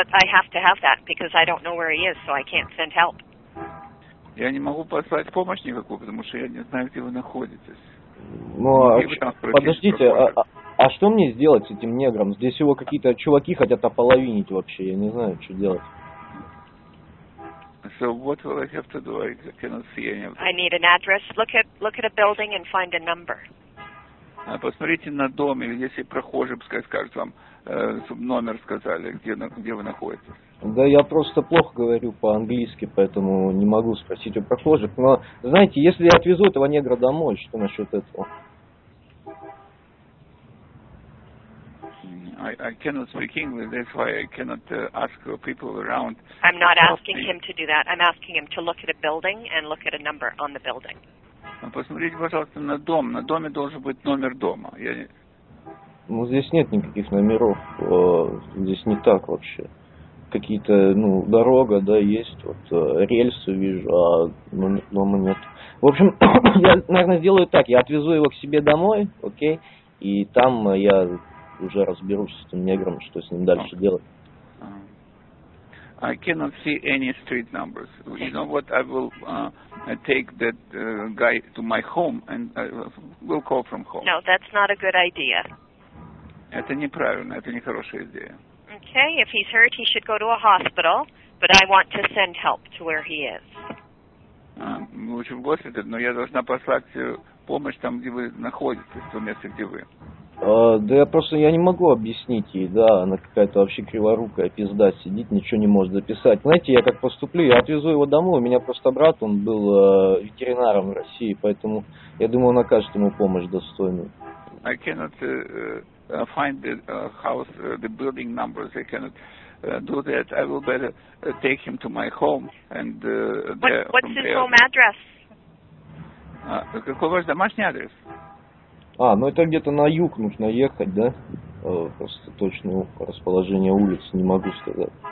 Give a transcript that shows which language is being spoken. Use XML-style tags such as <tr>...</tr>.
<en>But I have to have that because I don't know where he is, so I can't send help.</en> <ru>Я не могу послать помощь никакую, потому что я не знаю, где вы находитесь. Ну, подождите, а что мне сделать с этим негром? Здесь его какие-то чуваки хотят ополовинить вообще, я не знаю, что делать.</ru> <en>So what will I have to do? I cannot see anything. I need an address. Look at a building and find a number.</en> <ru>Посмотрите на дом, или если прохожий пускай скажет вам, чтобы номер сказали, где вы находитесь. Да я просто плохо говорю по-английски, поэтому не могу спросить у прохожих. Но, знаете, если я отвезу этого негра домой, что насчет этого?</ru> <en>I cannot speak English, that's why I cannot ask people around. I'm not asking him to do that. I'm asking him to look at a building and look at a number on the building.</en> <ru>Посмотрите, пожалуйста, на дом. На доме должен быть номер дома. Ну, здесь нет никаких номеров. Здесь не так вообще. Какие-то, ну, дорога, да, есть, вот, рельсы вижу, а дома нет. В общем, я, наверное, сделаю так, я отвезу его к себе домой, окей, и там я уже разберусь с этим негром, что с ним дальше делать.</ru> <en>I cannot see any street numbers. You know what, I will take that guy to my home, and we'll call from home. No, that's not a good idea.</en> <ru>Это неправильно, это нехорошая идея.</ru> <en>Okay, if he's hurt, he should go to a hospital, but I want to send help to where he is.</en> <ru>Лучше в госпиталь, но я должна послать помощь там, где вы находитесь, в том месте, где вы. Да я просто, я не могу объяснить ей, да, она какая-то вообще криворукая, пизда сидит, ничего не может записать. Знаете, я как поступлю, я отвезу его домой, у меня просто брат, он был ветеринаром в России, поэтому я думаю, он окажет ему помощь достойную.</ru> <en>I cannot... find the house, the building numbers. I cannot do that. I will better take him to my home and What's his home address?</en> <ru>Какой ваш домашний адрес? А, ну это где-то на юг нужно ехать, да? Просто точное расположение улиц не могу сказать.</ru>